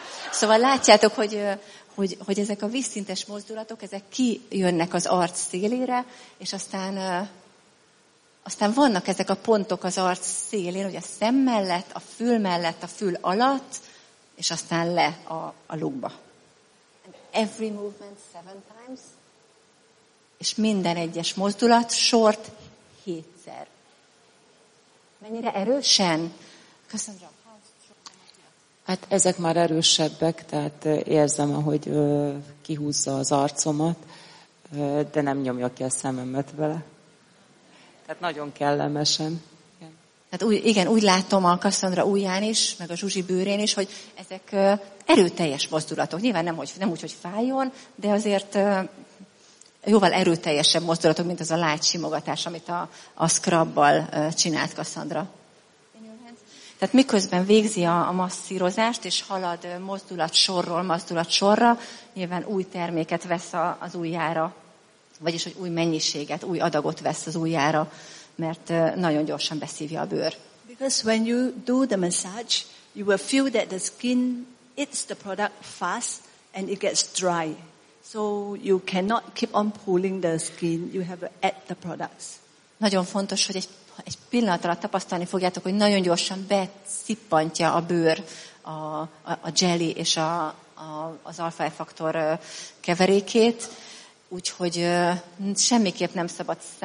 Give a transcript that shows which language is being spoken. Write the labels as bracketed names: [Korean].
[Hungarian] Szóval látjátok, hogy ezek a vízszintes mozdulatok, ezek kijönnek az arc szélére, és aztán vannak ezek a pontok az arc szélén, hogy a szem mellett, a fül alatt, és aztán le a lukba. [English] And every movement 7 times. [Hungarian] És minden egyes mozdulat sort 7-szer. Mennyire erősen? Köszönöm, John. Hát ezek már erősebbek, tehát érzem, ahogy kihúzza az arcomat, de nem nyomja ki a szememet vele. Tehát nagyon kellemesen. Igen, hát úgy látom a Cassandra ujján is, meg a Zsuzsi bőrén is, hogy ezek erőteljes mozdulatok. Nyilván nem úgy, hogy fájjon, de azért jóval erőteljesebb mozdulatok, mint az a lágy simogatás, amit a scrubbal csinált Cassandra. Tehát miközben végzi a masszírozást, és halad mozdulatsorra, nyilván új terméket vesz az ujjára, vagyis hogy új mennyiséget, új adagot vesz az ujjára, mert nagyon gyorsan beszívja a bőr. [English] Because when you do the massage, you will feel that the skin eats the product fast and it gets dry. So you cannot keep on pulling the skin, you have to add the products. [Hungarian] Nagyon fontos, hogy egy pillanat alatt tapasztalni fogjátok, hogy nagyon gyorsan beszippantja a bőr a jelly és az alfa-E-faktor keverékét, úgyhogy semmiképp nem szabad